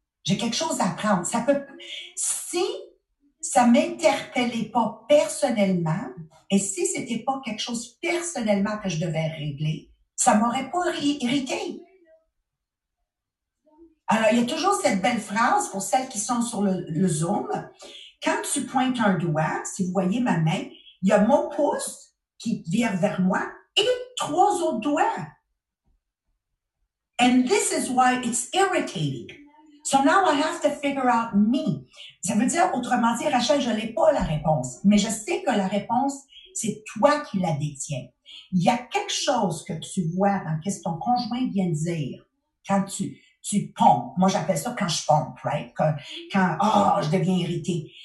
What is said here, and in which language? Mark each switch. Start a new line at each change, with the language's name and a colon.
French: J'ai quelque chose à apprendre. Ça peut, si ça ne m'interpellait pas personnellement, et si ce n'était pas quelque chose personnellement que je devais régler, ça ne m'aurait pas irrité. Alors, il y a toujours cette belle phrase pour celles qui sont sur le Zoom. Quand tu pointes un doigt, si vous voyez ma main, il y a mon pouce qui vire vers moi et trois autres doigts.
English: And this is why it's irritating. So now I have to figure out me.
French: Ça veut dire, autrement dit, Rachel, je n'ai pas la réponse. Mais je sais que la réponse, c'est toi qui la détiens. Il y a quelque chose que tu vois dans ce que ton conjoint vient dire quand tu pompes. Moi, j'appelle ça quand je pompe,
English: right?
French: Quand oh, je deviens irritée.